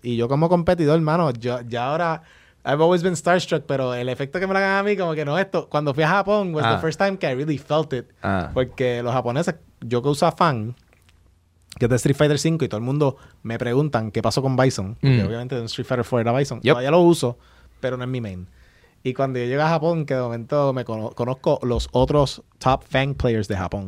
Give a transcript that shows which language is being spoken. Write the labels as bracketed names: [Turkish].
[Spanish] Y yo como competidor, hermano, yo ya ahora, [English] I've always been starstruck, [Spanish] pero el efecto que me lo hagan a mí, como que no esto. Cuando fui a Japón, [English] was the first time que I really felt it. [Spanish] Porque los japoneses, yo que uso a Fan, que es de Street Fighter V, y todo el mundo me preguntan qué pasó con Bison. Porque obviamente en Street Fighter 4 era Bison. Yo ya lo uso, pero no es mi main. Y cuando yo llegué a Japón, que de momento me conozco los otros top Fang players de Japón.